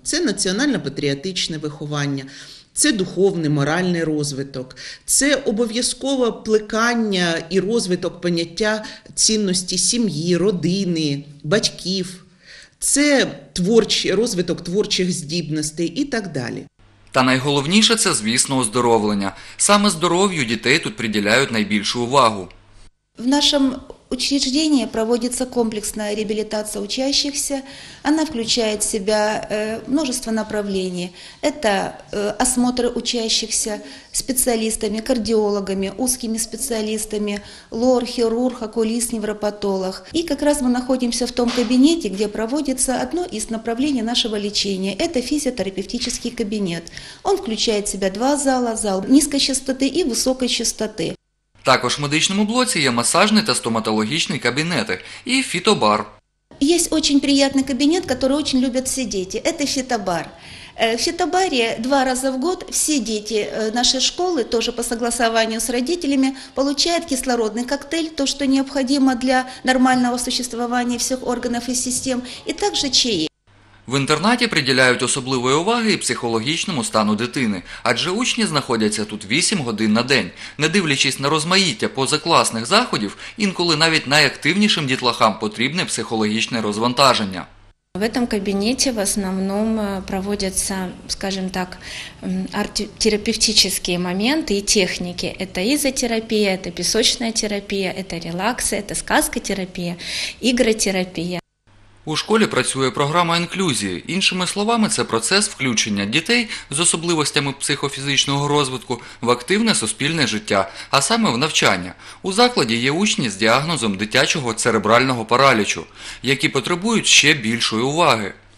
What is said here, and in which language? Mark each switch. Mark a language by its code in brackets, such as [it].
[uk] Це національно-патріотичне виховання, це духовний, моральний розвиток, це обов'язкове плекання і розвиток поняття цінності сім'ї, родини, батьків, це творчий розвиток творчих здібностей і так далі. Та найголовніше – це, звісно, оздоровлення. Саме здоров'ю дітей тут приділяють найбільшу увагу. [ru] В нашому учреждении проводится комплексная реабилитация учащихся. Она включает в себя множество направлений. Это осмотры учащихся специалистами, кардиологами, узкими специалистами, лор, хирург, окулист, невропатолог. И как раз мы находимся в том кабинете, где проводится одно из направлений нашего лечения. Это физиотерапевтический кабинет. Он включает в себя два зала – зал низкой частоты и высокой частоты. [uk] Також в медичному блоці є масажний та стоматологічний кабінети і фітобар. Є дуже приємний кабінет, який дуже люблять всі діти. Це фітобар. В фітобарі два рази в рік всі діти нашої школи, теж по согласуванню з батьками, отримують кислородний коктейль, те, що необхідно для нормального существування всіх органів і систем, і також чаї. В інтернаті приділяють особливої уваги і психологічному стану дитини, адже учні знаходяться тут 8 годин на день. Не дивлячись на розмаїття позакласних заходів, інколи навіть найактивнішим дітлахам потрібне психологічне розвантаження. [ru] В этом кабинете в основном проводятся, скажем так, арт-терапевтические моменты и техники. Это изотерапия, это песочная терапия, это релакс, это сказкотерапия, игротерапия. [uk] У школі працює програма інклюзії. Іншими словами, це процес включення дітей з особливостями психофізичного розвитку в активне суспільне життя, а саме в навчання. У закладі є учні з діагнозом дитячого церебрального паралічу, які потребують ще більшої уваги.